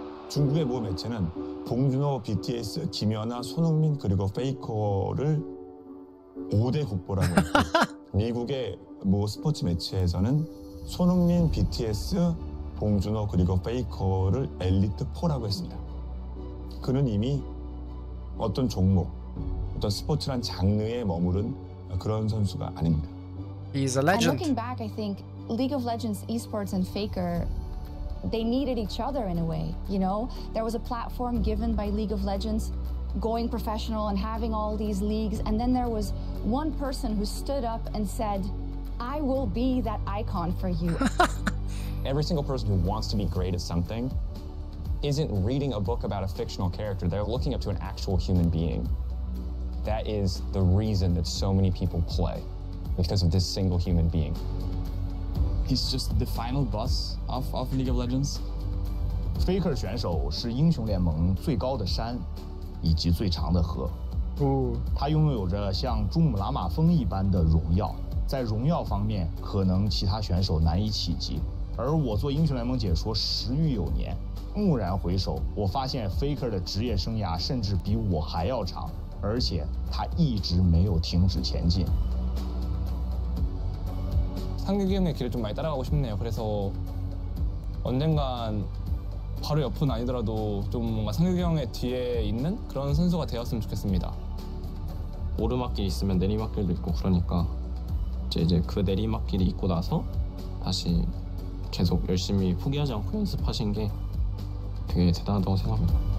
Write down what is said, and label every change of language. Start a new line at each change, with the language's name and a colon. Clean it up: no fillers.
Korean: 중국의 모 매체는 봉준호, BTS, 김연아, 손흥민 그리고 페이커를 5대 국보라고 미국의 모 스포츠 매체에서는 손흥민, BTS, 봉준호 그리고 페이커를 엘리트 4라고 했습니다. 그는 이미 어떤 종목, 어떤 스포츠란 장르에 머무른 그런 선수가 아닙니다.
English: He is a legend. I'm looking back, I think League of Legends Esports and Faker, they needed each other in a way, you know? There was a platform given by League of Legends going professional and having all these leagues, and then there was one person who stood up and said, I will be that icon for you. Every single person who wants to be great at something isn't reading a book about a fictional character. They're looking up to an actual human being. That is the reason that so many people play, because of this single human being. He's just the final boss of League of Legends.
Chinese: Faker 选手是英雄联盟最高的山，以及最长的河。他拥有着像珠穆朗玛峰一般的荣耀，在荣耀方面可能其他选手难以企及。而我做英雄联盟解说10余有年，蓦然回首，我发现 Faker 的职业生涯甚至比我还要长，而且他一直没有停止前进。
Korean: 상기기형의 길을 좀 많이 따라가고 싶네요. 그래서 언젠간 바로 옆은 아니더라도 좀 뭔가 상기기형의 뒤에 있는 그런 선수가 되었으면 좋겠습니다. 오르막길 있으면 내리막길도 있고 그러니까 이제 그 내리막길이 있고 나서 다시 계속 열심히 포기하지 않고 연습하신 게 되게 대단하다고 생각합니다.